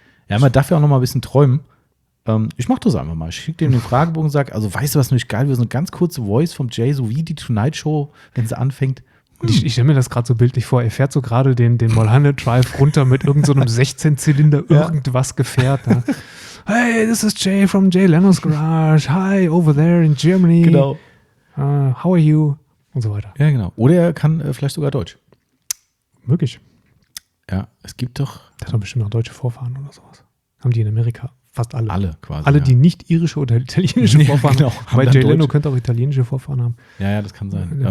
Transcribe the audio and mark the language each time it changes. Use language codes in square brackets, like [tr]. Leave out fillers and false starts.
[de] Ja, man darf ja auch noch mal ein bisschen träumen. Ich mach das einfach mal. Ich schicke dir den Fragebogen und sage, also weißt du, was nämlich geil wäre? So eine ganz kurze Voice vom Jay, so wie die Tonight Show, wenn sie anfängt. Ich stelle mir das gerade so bildlich vor. Er fährt so gerade den Mulholland Drive runter mit irgendeinem so 16-Zylinder irgendwas Gefährt. Ne? [en] Hey, this is Jay from Jay Leno's Garage. Hi, over there in Germany. [de] Genau. [en] How are you? [de] Und so weiter. Ja, genau. Oder er kann vielleicht sogar Deutsch. Möglich. Ja, es gibt doch. Der hat doch bestimmt noch deutsche Vorfahren oder sowas. Haben die in Amerika fast alle. Alle quasi. Alle, die nicht irische oder italienische Vorfahren haben. Genau. Weil Jay Leno könnte auch italienische Vorfahren haben. Ja, ja, das kann sein.